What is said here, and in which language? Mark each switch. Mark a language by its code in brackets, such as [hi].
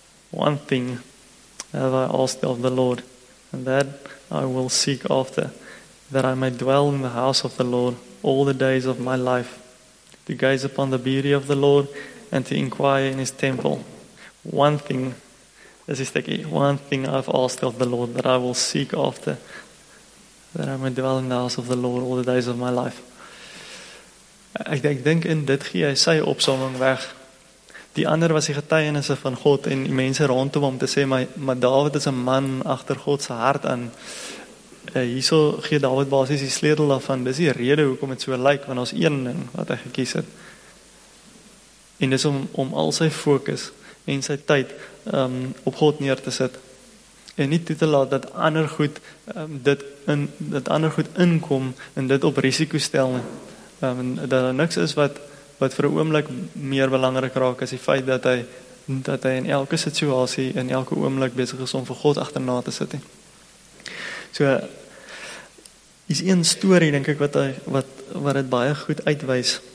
[en] One thing have I asked of the Lord, and that I will seek after, that I may dwell in the house of the Lord all the days of my life, to gaze upon the beauty of the Lord and to inquire in his temple. One thing, this is the key, one thing I've asked of the Lord, that I will seek after, that I may dwell in the house of the Lord all the days of my life. [af] Ek dink in dit gee hy sy opsomming weg. Die ander was die getuienisse van God en die mense rondom om te sê, maar David is 'n man agter God se hart, en hierso gee David basies die sleutel daarvan. Dis die rede hoekom dit so lyk, want ons een ding wat hy gekies het. En dis om al sy fokus en sy tyd op God neer te sit. En nie toe te laat dat ander goed inkom en dit op risiko stel nie. Dat daar niks is wat vir 'n oomblik meer belangrik raak as die feit dat hy in elke situasie, in elke oomblik besig is om vir God agterna te sit. So, is een story, denk ek, wat het baie goed uitwys.